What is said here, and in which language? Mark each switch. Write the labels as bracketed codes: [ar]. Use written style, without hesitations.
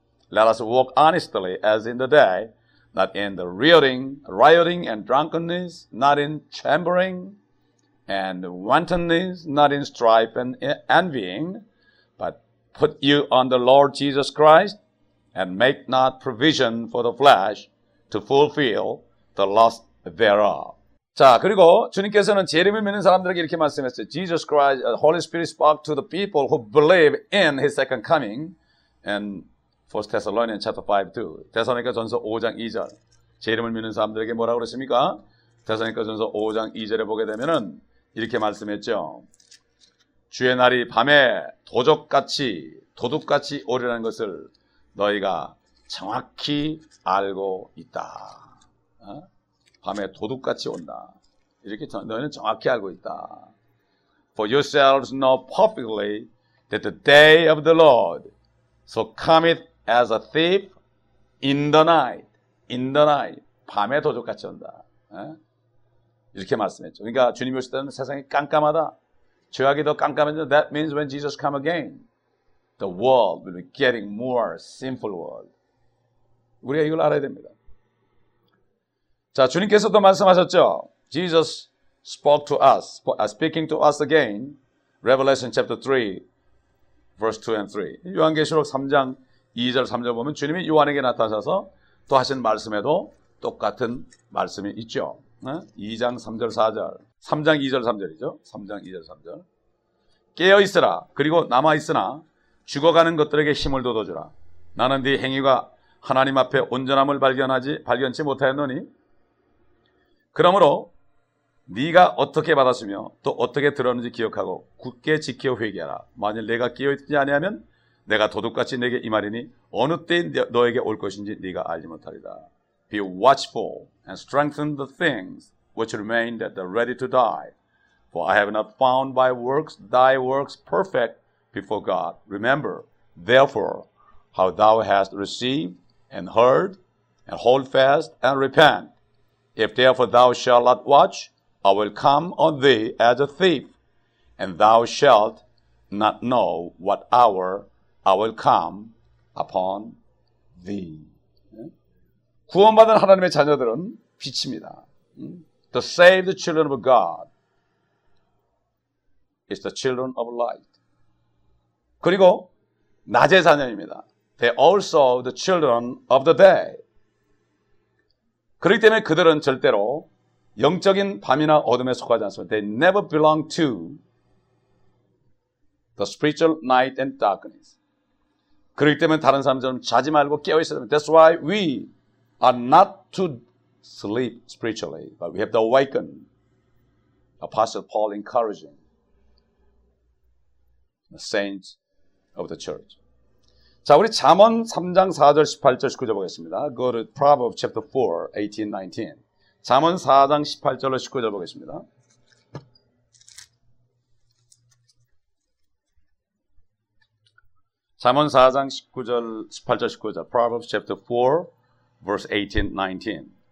[en] Let us walk honestly as in the day, not in the rioting and drunkenness, not in chambering, and wantonness, not in strife and envying, but put you on the Lord Jesus Christ, and make not provision for the flesh to fulfill the lust thereof. [ko] 자, 그리고 주님께서는 재림을 믿는 사람들에게 이렇게 말씀했어요. [en] Jesus Christ, Holy Spirit spoke to the people who believe in his second coming, and 1 Thessalonians chapter 5, 2. [ko] 데살로니가 전서 5장 2절. 재림을 믿는 사람들에게 뭐라고 그랬습니까? 데살로니가 전서 5장 2절에 보게 되면은 이렇게 말씀했죠. 주의 날이 밤에 도적같이, 도둑같이 오리라는 것을 너희가 정확히 알고 있다. 어? 밤에 도둑같이 온다. 이렇게 너희는 정확히 알고 있다. [en] For yourselves know perfectly that the day of the Lord so cometh as a thief in the night. In the night. [ko] 밤에 도둑같이 온다. 어? 이렇게 말씀했죠. 그러니까 주님이 오실 때는 세상이 깜깜하다. 죄악이 더 깜깜해진다. [en] That means when Jesus come again, the world will be getting more sinful world. [ko] 우리가 이걸 알아야 됩니다. 자, 주님께서도 말씀하셨죠. [en] Jesus spoke to us, speaking to us again, Revelation chapter 3, verse 2 and 3. [ko] 요한계시록 3장 2절, 3절 보면 주님이 요한에게 나타나셔서 또 하신 말씀에도 똑같은 말씀이 있죠. 2장 3절, 4절. 3장 2절, 3절이죠. 3장 2절, 3절. 깨어있으라. 그리고 남아있으나 죽어가는 것들에게 힘을 돋워주라. 나는 네 행위가 하나님 앞에 온전함을 발견치 못하였노니 그러므로 네가 어떻게 받았으며 또 어떻게 들었는지 기억하고 굳게 지켜 회개하라. 만일 내가 깨어있지 아니하면 내가 도둑같이 내게 임하리니 어느 때 너에게 올 것인지 네가 알지 못하리라. [en] Be watchful and strengthen the things which remain that are ready to die. For I have not found by works thy works perfect before God. Remember, therefore, how thou hast received and heard and hold fast and repent. If therefore thou shalt not watch, I will come on thee as a thief, and thou shalt not know what hour I will come upon thee. [ko] 구원받은 하나님의 자녀들은 빛입니다. [en] The saved children of God is the children of light. [ko] 그리고 낮의 자녀입니다. [en] They also the children of the day. [ko] 그렇기 때문에 그들은 절대로 영적인 밤이나 어둠에 속하지 않습니다. [en] They never belong to the spiritual night and darkness. [ko] 그렇기 때문에 다른 사람처럼 자지 말고 깨어있어야 됩니다. [en] That's why we are not to sleep spiritually, but we have to awaken. Apostle Paul encouraging the saints of the church. [ko] 자, 우리 잠언 3장 4절 18절 19절 보겠습니다. [en] Go to Proverbs chapter 4, 18, 19. [ko] 잠언 4장 18절로 19절 보겠습니다. 잠언 4장 19절, 18절, 19절. [en] Proverbs chapter 4, verse 18, 19.